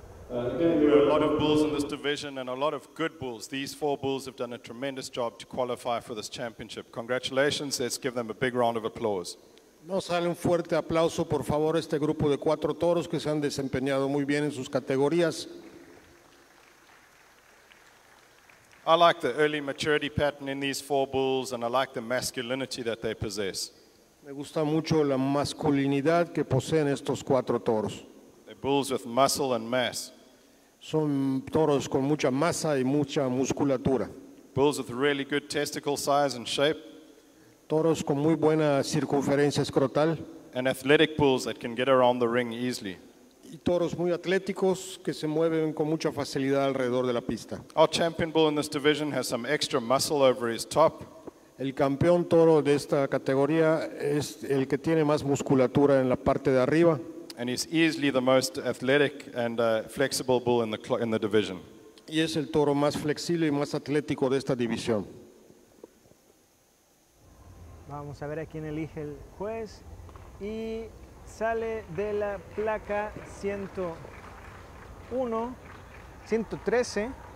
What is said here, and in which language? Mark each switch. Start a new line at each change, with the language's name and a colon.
English: lot of bulls in this division and a lot of good bulls. These four bulls have done a tremendous job to qualify for this championship. Congratulations. Let's give them a big round of applause.
Spanish: No sale un fuerte aplauso, por favor, este grupo de cuatro toros que se han desempeñado muy bien en sus categorías.
English: I like the early maturity pattern in these four bulls, and I like the masculinity that they possess.
Spanish: Me gusta mucho la masculinidad que poseen estos cuatro toros.
English: They're bulls with muscle and mass.
Spanish: Son toros con mucha masa y mucha musculatura.
English: Bulls with really good testicle size and shape.
Spanish: Toros con muy buena circunferencia escrotal.
English: And athletic bulls that can get around the ring easily.
Spanish: Y toros muy atléticos que se mueven con mucha facilidad alrededor de la pista.
English: Our champion bull in this division has some extra muscle over his top.
Spanish: El campeón toro de esta categoría es el que tiene más musculatura en la parte de arriba.
English: And he's easily the most athletic and flexible bull in the division.
Spanish: Y es el toro más flexible y más atlético de esta división. Vamos a ver a quién elige el juez. Y sale de la placa 101, 113.